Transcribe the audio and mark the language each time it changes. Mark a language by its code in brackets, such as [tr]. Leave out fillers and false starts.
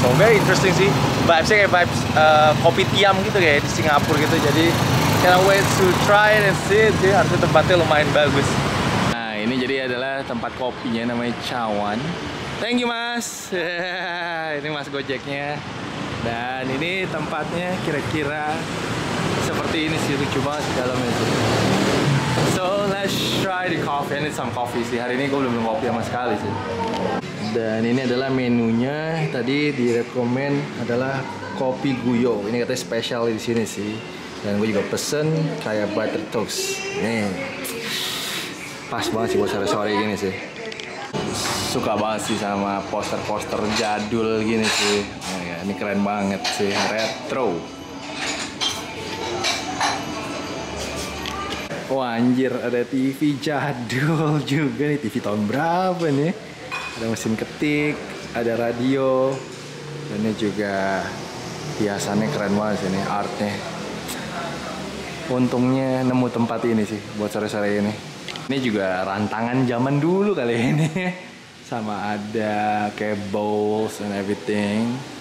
[id] So very interesting sih. Vibesnya kayak vibes kopi tiam gitu kayak di Singapura gitu. [en] Jadi can't wait to try and see it sih. [id] Artinya tempatnya lumayan bagus. Nah ini jadi adalah tempat kopinya namanya Cawan. [en] Thank you [id] mas. Ini mas Gojeknya. Dan ini tempatnya kira-kira seperti ini sih, lucu banget di dalamnya sih. [en] So let's try the coffee. I need some coffee sih. [id] Hari ini gue belum kopi sama sekali sih. Dan ini adalah menunya. Tadi direkomend adalah kopi guyo. Ini katanya spesial di sini sih. Dan gue juga pesen kayak butter toast. Nih, pas banget sih buat sore-sore gini sih. Suka banget sih sama poster-poster jadul gini sih. Nah, ya, ini keren banget sih, retro. Oh anjir, ada TV jadul juga nih. TV tahun berapa nih? Ada mesin ketik, ada radio. Dan ini juga hiasannya keren banget sih nih, artnya. Untungnya nemu tempat ini sih buat sore-sore ini. Ini juga rantangan zaman dulu kali ini. Sama ada kayak [en] bowls and everything.